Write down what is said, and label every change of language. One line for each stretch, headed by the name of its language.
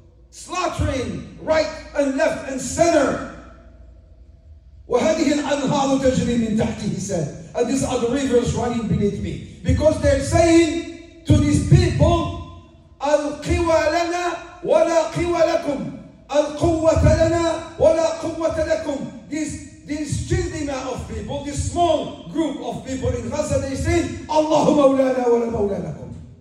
English: Slaughtering right and left and center.
Arabic: وهذه الأنهار تجري من تحتي,
English: he said. And these are the rivers running beneath me. Because they're saying to these people,
Arabic: القوى لنا ولا قوى لكم. القوة لنا ولا قوة لكم.
English: These children of people, this small group of people in Gaza, they say,
Arabic: Allahu Mawlana wa la Mawla lakum.